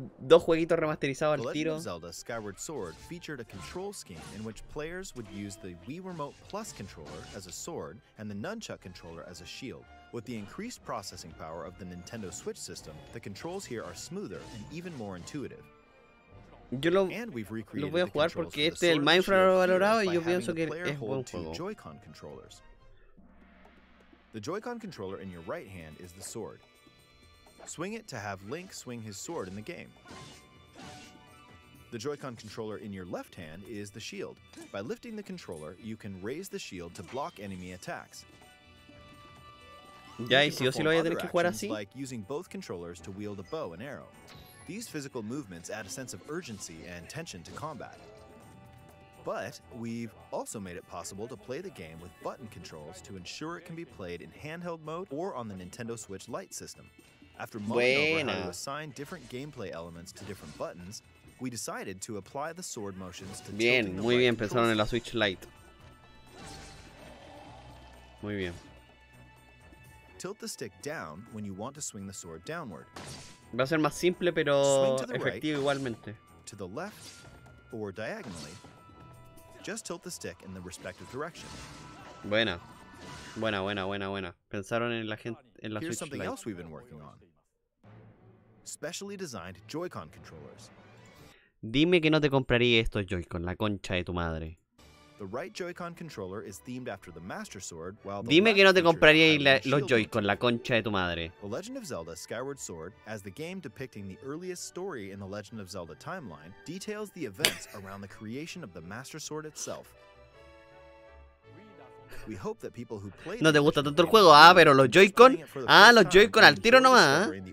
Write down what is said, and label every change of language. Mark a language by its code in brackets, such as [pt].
[es] Dos jueguitos remasterizados al [en] The Legend of Zelda: Skyward Sword featured a control scheme in which players would use the Wii Remote Plus controller as a sword and the Nunchuck controller as a shield. With the increased processing power of the Nintendo Switch system, the controls here are smoother and even more intuitive. [es] Yo lo voy a jugar porque este es el más infravalorado y yo pienso que es buen juego. [en] Joy-Con controllers. The Joy-Con controller in your right hand is the sword. Swing it to have Link swing his sword in the game. The Joy-Con controller in your left hand is the shield. By lifting the controller, you can raise the shield to block enemy attacks. [es] Ya, y si yo sí lo voy a tener que jugar así. [en] Like using both controllers to wield a bow and arrow. These physical movements add a sense of urgency and tension to combat. But we've also made it possible to play the game with button controls to ensure it can be played in handheld mode or on the Nintendo Switch Lite system. After mulling over how to assign different gameplay elements to different buttons, we decided to apply the sword motions to [es] bien, muy bien, empezaron en la Switch Lite. Muy bien. [en] Tilt the stick down when you want to swing the sword downward. [es] Va a ser más simple, pero efectivo igualmente. [en] To the left or diagonally. Just tilt the stick in the respective direction. [es] Buena. Buena, buena, buena, buena. Pensaron en la gente en la Switch Lite. [en] Here's something else we've been working on. Specially designed Joy-Con controllers. [es] Dime que no te compraría estos Joy-Con, la concha de tu madre. [en] The right Joy-Con controller is themed after the Master Sword, while the [es] Dime que no te compraría los Joy-Con, la concha de tu madre. [en] The Legend of Zelda Skyward Sword, as the game depicting the earliest story in the Legend of Zelda timeline, details the events around the creation of the Master Sword itself. We hope that people who play [es] No te gusta tanto el juego, ah, pero los Joy-Con, ah, los Joy-Con al tiro nomás.